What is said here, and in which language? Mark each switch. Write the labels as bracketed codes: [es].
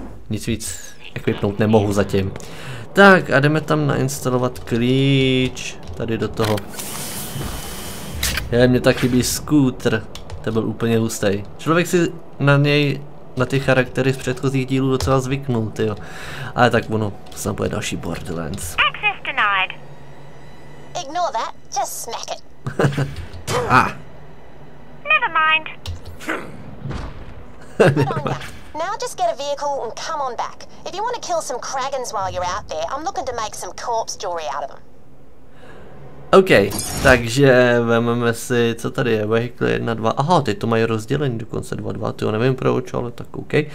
[cs] Nic víc equipnout nemohu zatím. Tak a jdeme tam nainstalovat klíč. Tady do toho. Je, mě tak chybí skútr, to byl úplně hustý. Člověk si na něj, na ty charaktery z předchozích dílů docela zvyknul, tyjo. Ale tak ono, snad bude další Borderlands. [en] Access denied. Ignore that, just smack it. Never mind. Now just get a vehicle and come on back. If you want to kill some kragans while you're out there, I'm looking to make some corpse jewelry out of them. [cs] OK, takže vezmeme si, co tady je, vehicle 1, 2, aha, teď to mají rozdělení dokonce 2, 2, to jo, nevím proč, ale tak OK.